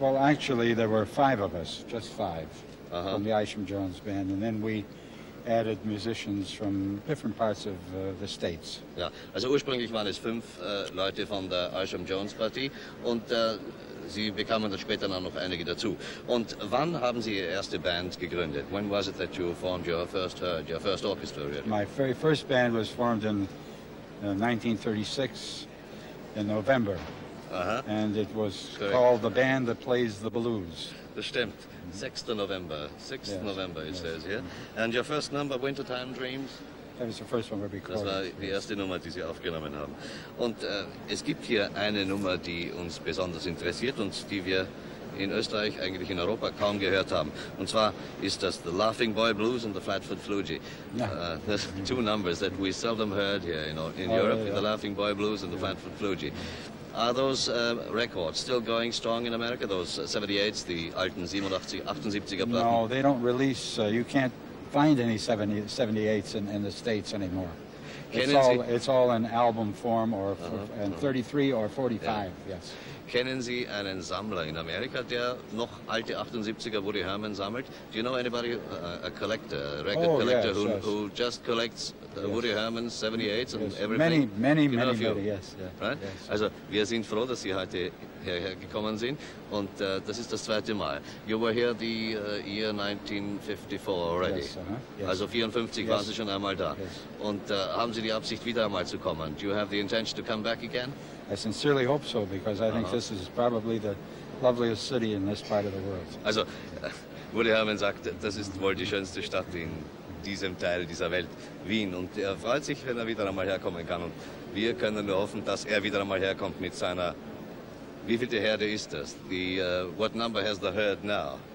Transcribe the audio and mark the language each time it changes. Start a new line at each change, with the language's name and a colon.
English: Well, actually, there were five of us, just five, from the Isham Jones Band, and then we added musicians from different parts of the states.
German: Ja, also ursprünglich waren es fünf Leute von der Isham Jones Party und Sie bekamen dann später noch einige dazu. Und wann haben Sie Ihre erste Band gegründet?
English: When was it that you formed your first orchestra, really? My very first band was formed in 1936, in November. Uh-huh. And it was correct. Called the band that plays the blues.
German: Das stimmt. 6. November. 6.
English: Yes.
German: November,
English: it says here. Yeah? And your first number, Wintertime Dreams? That was the first one we recorded.
German: Das war die erste Nummer, die Sie aufgenommen haben. Und es gibt hier eine Nummer, die uns besonders interessiert und die wir in Österreich, eigentlich in Europa, kaum gehört haben. Und zwar ist das The Laughing Boy Blues and the Flatfoot Flugee.
English: Yeah. Two numbers that we seldom heard here in Europe, yeah. The Laughing Boy Blues and the Flatfoot Flugee. Are those records still going strong in America, those 78s, the
German: alten 78er Platten?
English: No, they don't release, you can't find any 78s in the States anymore. It's all in album form, or in 33 or 45, yes.
German: Kennen Sie einen Sammler in Amerika, der noch alte 78er Woody Herman sammelt?
English: Do you know anybody, a record collector, yes, who just collects Woody Herman's 78s and everything? Many, yes. Yeah, right? Yes.
German: Also, wir sind froh, dass Sie heute hierher gekommen sind. Und das ist das zweite Mal.
English: You were here the year 1954 already. Yes, yes.
German: Also 54,
English: yes.
German: Waren Sie schon einmal da.
English: Yes.
German: Und haben Sie die Absicht, wieder einmal zu kommen?
English: Do you have the intention to come back again? I sincerely hope so, because I think this is probably the loveliest city in this part of the world.
German: Also, Woody Herman sagt, das ist wohl die schönste Stadt in diesem Teil dieser Welt, Wien. Und er freut sich, wenn er wieder einmal herkommen kann. Und wir können nur hoffen, dass er wieder einmal herkommt mit seiner... Wie viel der Herde ist das?
English: The, what number has the herd now?